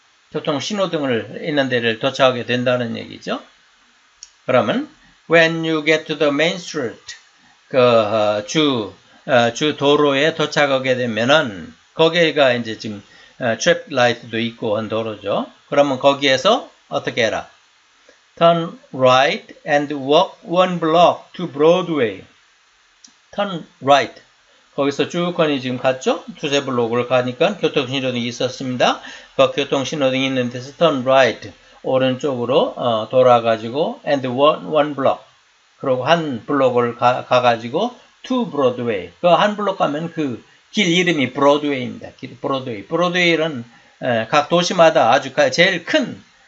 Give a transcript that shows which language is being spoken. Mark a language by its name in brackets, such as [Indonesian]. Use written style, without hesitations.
[Korean] 교통 신호등을 있는 데를 도착하게 된다는 얘기죠. 그러면 [English] when you get to the main street [Korean] 그 주 도로에 도착하게 되면은 거기가 이제 지금 트래픽 라이트도 있고 한 도로죠. 그러면 거기에서 어떻게 해라? [English] Turn right and walk one block to Broadway. Turn right. [Korean] 거기서 쭉 거니 지금 갔죠? 두세 블록을 가니까 교통신호등이 있었습니다. 그 교통신호등이 있는 데서 turn right, 오른쪽으로 돌아가지고 [English] and one block, [Korean] 그리고 한 블록을 가가지고 to Broadway, 그 한 블록 가면 그 길 이름이 Broadway입니다. 길 Broadway. Broadway는 각 도시마다 아주 제일 큰